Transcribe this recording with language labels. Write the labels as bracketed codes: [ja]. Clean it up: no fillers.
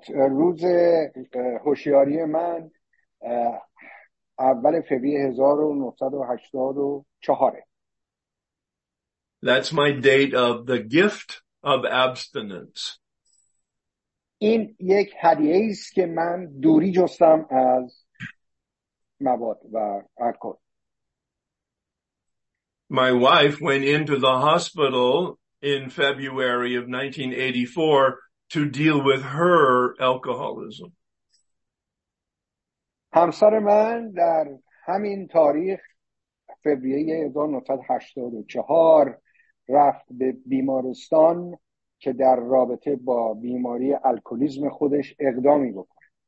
[fa] روز هوشیاری من اول فوریه 1984. [en] That's my date of the gift of abstinence. [fa] این یک هدیه است که من دوری جستم از مواد و الکل. [en] My wife went into the hospital in February of 1984 to deal with her alcoholism. [fa] همسر من در همین تاریخ فوریه 1984 رفت به بیمارستان که در رابطه با بیماری الکلیسم خودش اقدامی بکنه.